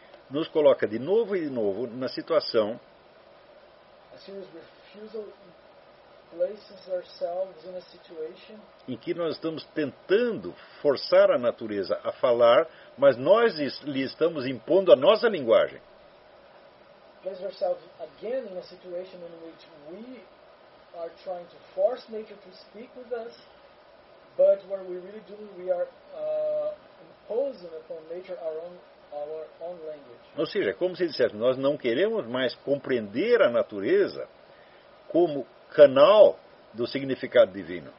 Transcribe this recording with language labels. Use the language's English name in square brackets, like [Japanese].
[Portuguese] nos coloca de novo e de novo na situação. [English] A serious refusal places ourselves in a situation [Portuguese] em que nós estamos tentando forçar a natureza a falar, mas nós lhe estamos impondo a nossa linguagem. [English] Places ourselves again in a situation in which we are trying to force nature to speak with us, but what we're really doing, we are imposing upon nature our own language. [Portuguese] Ou seja, como se dissesse, nós não queremos mais compreender a natureza como canal do significado divino.